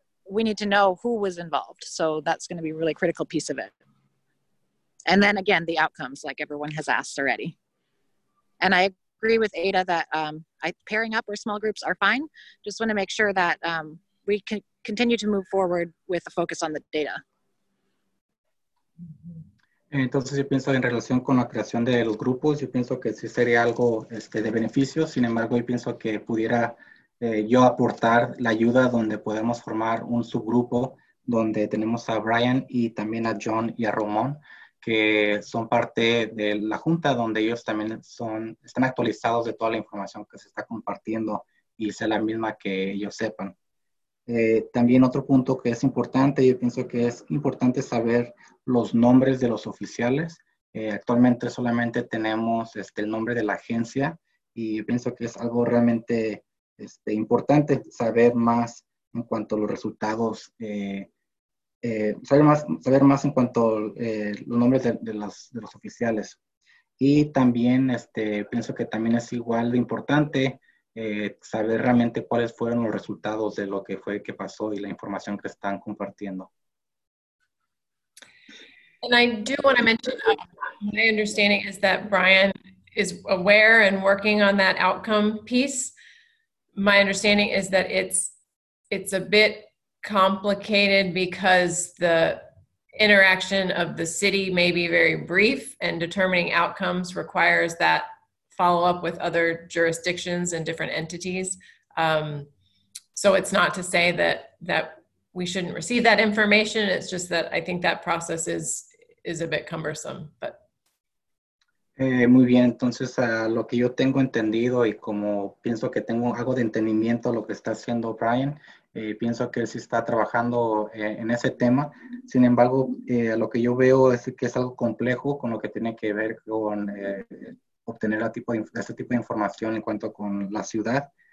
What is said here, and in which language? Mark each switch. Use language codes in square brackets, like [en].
[en] we need to know who was involved. So that's going to be a really critical piece of it. And then again, the outcomes, like everyone has asked already. And I agree with Ada that pairing up or small groups are fine. Just want to make sure that we can continue to move forward with a focus on the data. [es] Entonces, yo pienso en relación con la creación de los grupos, yo pienso que sí sería algo de beneficio. Sin embargo, yo pienso que pudiera yo aportar la ayuda donde podemos formar un subgrupo donde tenemos a Brian y también a John y a Ramón, que son parte de la junta, donde ellos también están actualizados de toda la información que se está compartiendo y sea la misma que ellos sepan. También otro punto que es importante, yo pienso que es importante saber los nombres de los oficiales. Actualmente solamente tenemos el nombre de la agencia y yo pienso que es algo realmente importante saber más en cuanto a los resultados, saber más en cuanto los nombres de los oficiales. Y también pienso que también es igual de importante saber realmente cuáles fueron los resultados de lo que fue que pasó y la información que están compartiendo. [en] And I do want to mention, my understanding is that Brian is aware and working on that outcome piece. My understanding is that it's a bit complicated because the interaction of the city may be very brief, and determining outcomes requires that follow up with other jurisdictions and different entities. So it's not to say that we shouldn't receive that information. It's just that I think that process is a bit cumbersome, but. [es] Muy bien, entonces a lo que yo tengo entendido y como pienso que tengo algo de entendimiento a lo que está haciendo Brian, pienso que él sí está trabajando en ese tema. Sin embargo, lo que yo veo es que es algo complejo con lo que tiene que ver con obtener este tipo de información en cuanto con la ciudad.